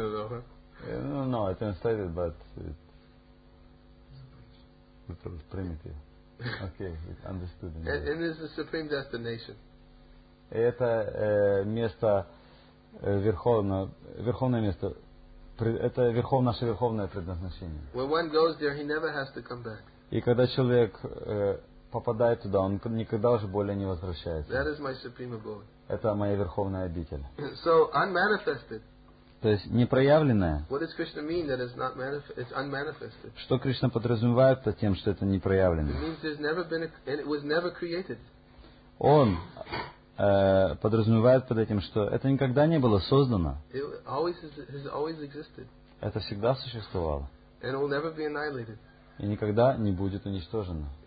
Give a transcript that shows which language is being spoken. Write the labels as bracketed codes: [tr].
[en] No, I didn't say it, but it was primitive. Okay, it understood. And it is the supreme destination. [ru] Это место верховное место. Это наше верховное предназначение. [en] When one goes there, he never has to come back. [ru] И когда человек попадает туда, он никогда уже более не возвращается. [en] That is my supreme abode. [ru] Это моя верховная обитель. [en] So unmanifested. [ru] То есть непроявленная. [en] What does Krishna mean that it's not it's unmanifested? [ru] Что Кришна подразумевает под тем, что это непроявленное? [en] It means there's never been it was never created. [ru] Он подразумевает под этим, что это никогда не было создано. Это всегда существовало. И никогда не будет уничтожено.